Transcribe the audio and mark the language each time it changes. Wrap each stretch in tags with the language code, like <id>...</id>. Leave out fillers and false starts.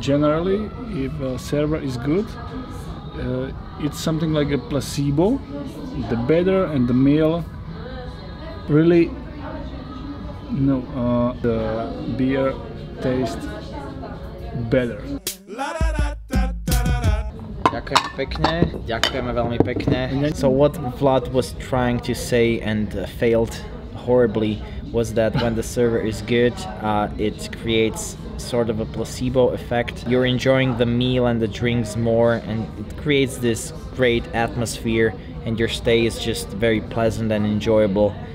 <en>Generally, if a server is good, it's something like a placebo. The better and the meal, really, no, the beer tastes better.</en> <sk>Ďakujem pekne, ďakujeme veľmi pekne.</sk> <en>So what Vlad was trying to say and failed horribly was that when the server is good, it creates sort of a placebo effect. You're enjoying the meal and the drinks more, and it creates this great atmosphere, and your stay is just very pleasant and enjoyable.</en>